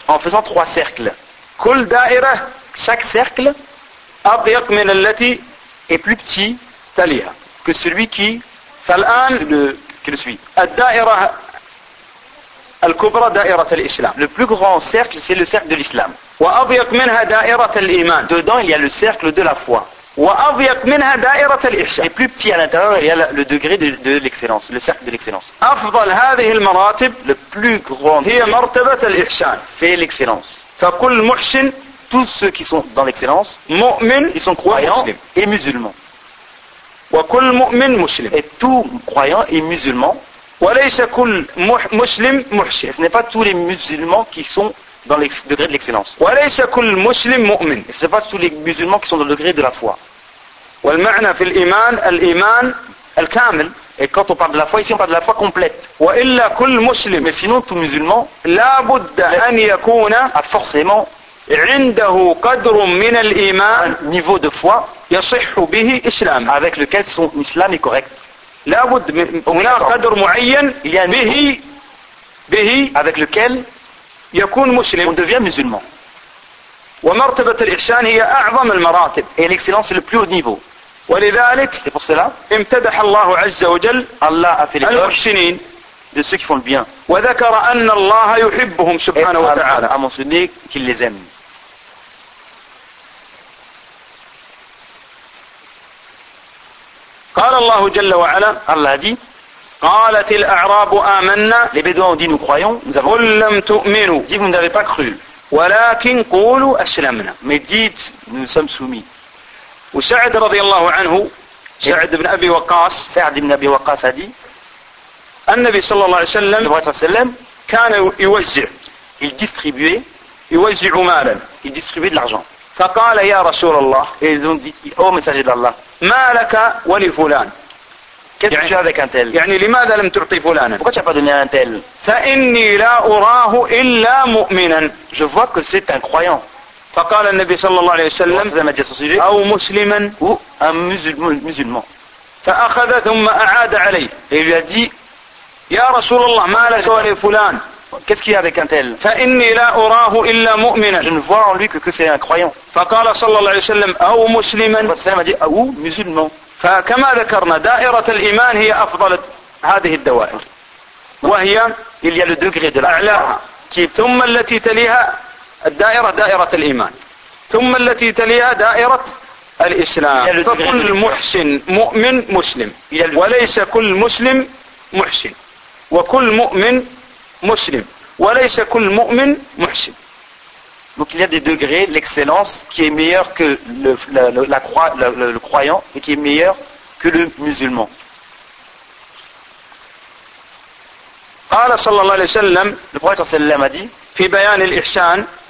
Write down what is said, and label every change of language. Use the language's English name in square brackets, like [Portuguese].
[French] En faisant 3 cercles. [Arabic] كل دائرة. [French] Chaque cercle. [Arabic] أضيق من التي. [French] Est plus petit. [Arabic] تليها. [French] Que celui qui. [Arabic] فالآن. [French] Qui le suit. [Arabic] الدائرة. الكبرى دائرة الإسلام. [French] Le plus grand cercle, c'est le cercle de l'islam. [Arabic] وأضيق منها دائرة الإيمان. [French] Dedans, il y a le cercle de la foi. [Arabic] وأضيق منها دائرة الإحسان. [French] Et plus petit à l'intérieur, il y a le degré de l'excellence, le cercle de l'excellence. [Arabic] أفضل هذه المراتب. [French] Le plus grand. [Arabic] هي مرتبة الإحسان. [French] C'est l'excellence. [Arabic] فكل محسن. [French] Tous ceux qui sont dans l'excellence. [Arabic] مؤمن. [French] Ils sont croyants et musulmans. [Arabic] وكل مؤمن مسلم. [French] Et tout croyant et musulman. [Arabic] وليس كل مسلم محسن. [French] Ce n'est pas tous les musulmans qui sont dans le degré de l'excellence. [Arabic] وليس كل مسلم مؤمن. [French] Ce n'est pas tous les musulmans qui sont dans le degré de la foi. [Arabic] والمعنى في الإيمان الإيمان الكامل. [French] Et quand on parle de la foi ici, on parle de la foi complète. [Arabic] وإلا كل مسلم. [French] Mais sinon tout musulman. [Arabic] لابد أن يكون. [French] A forcément. [Arabic] عنده قدر من الإيمان. [French] Un niveau de foi. [Arabic] يصح به إسلام. [French] Avec lequel son islam est correct. [Arabic] لابد من قدر معين به به [French] avec lequel [Arabic] يكون مسلم [French] on devient musulman [Arabic] ومرتبة الإحسان هي أعظم المراتب [French] et l'excellence est le plus haut niveau [Arabic] ولذلك [French] et pour cela [Arabic] امتدح الله عز وجل [French] Allah a fait les [Arabic] المحسنين [French] de ceux qui font le bien [Arabic] وذكر أن الله يحبهم سبحانه وتعالى [French] a mentionné qu'il les aime [Arabic] قال الله جل وعلا الله دي قالت الأعراب آمنا [French] les bédouins ont dit nous croyons nous avons [Arabic] قل لم تؤمنوا [French] dit vous n'avez pas cru [Arabic] ولكن قولوا أسلمنا [French] mais dites nous sommes soumis [Arabic] وسعد رضي الله عنه سعد بن أبي وقاص [French] سعد بن أبي وقاص a dit [Arabic] النبي صلى الله عليه وسلم [French] le prophète [Arabic] وسلم كان يوزع [French] il distribuait [Arabic] يوزع مالا [French] il distribuait de l'argent [Arabic] فقال يا رسول الله [French] et ils ont dit oh messager d'Allah [Arabic] ما لك ولفلان [French] qu'est-ce que tu as avec un tel [Arabic] يعني لماذا لم تعطي فلانا [French] pourquoi tu n'as pas donné un tel [Arabic] فإني لا أراه إلا مؤمنا [French] je vois que c'est un croyant [Arabic] فقال النبي صلى الله عليه وسلم أو مسلما [French] ou un musulman [Arabic] فأخذ ثم أعاد علي [French] et lui a dit [Arabic] يا رسول الله ما لك ولفلان [French] qu'est-ce qu'il y a avec un tel [Arabic] فإني لا أراه إلا مؤمنا [French] je ne vois en lui que c'est un croyant [Arabic] فقال صلى الله عليه وسلم أو مسلما وسلم دي أو مسلمان فكما ذكرنا دائرة الإيمان هي أفضل هذه الدوائر وهي [French] il y a le degré de la [Arabic] أعلاها ثم التي تليها الدائرة دائرة الإيمان ثم التي تليها دائرة الإسلام فكل محسن مؤمن مسلم وليس كل مسلم محسن وكل مؤمن مسلم وليس كل مؤمن محسن [French] Donc il y a des degrés, l'excellence qui est meilleure que le croyant et qui est meilleure que le musulman. [Arabic] Qala sallallahu alayhi wa sallam, [French] le prophète [Arabic] sallallahu alayhi wa sallam [French] a dit [Arabic] fi bayan al-ihsan